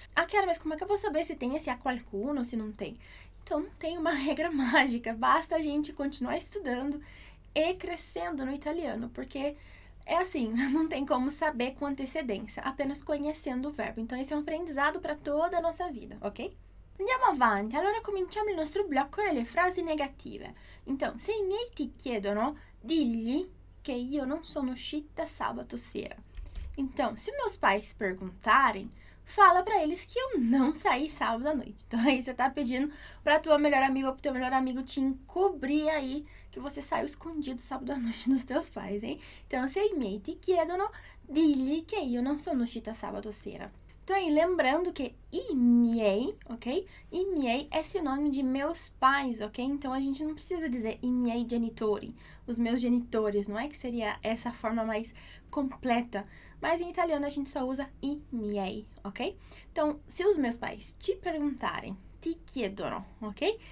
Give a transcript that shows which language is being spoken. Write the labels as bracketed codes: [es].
[pt] Ah, Kiara, mas como é que eu vou saber se tem esse [it] a qualcuno [pt] ou se não tem? Então, tem uma regra mágica. Basta a gente continuar estudando e crescendo no italiano, porque é assim, não tem como saber com antecedência, apenas conhecendo o verbo. Então, esse é um aprendizado para toda a nossa vida, ok? [it] Andiamo avanti. Allora, cominciamo il nostro blocco delle frasi negative. Então, se i miei ti chiedono, digli che io non sono uscita sabato sera. [pt] Então, se meus pais perguntarem, fala para eles que eu não saí sábado à noite. Então, aí você está pedindo para tua melhor amiga ou para o teu melhor amigo te encobrir aí que você saiu escondido sábado à noite dos teus pais, hein? [it] Então, se i miei ti chiedono, digli che io non sono uscita sabato sera. [pt] Então, aí, lembrando que [it] i miei, [pt] ok? [it] I miei [pt] é sinônimo de meus pais, ok? Então, a gente não precisa dizer [it] i miei genitori, [pt] os meus genitores, não é? Que seria essa forma mais completa. Mas em italiano a gente só usa [it] i miei, [pt] ok? Então, se os meus pais te perguntarem, [it] ti chiedono, [pt] ok?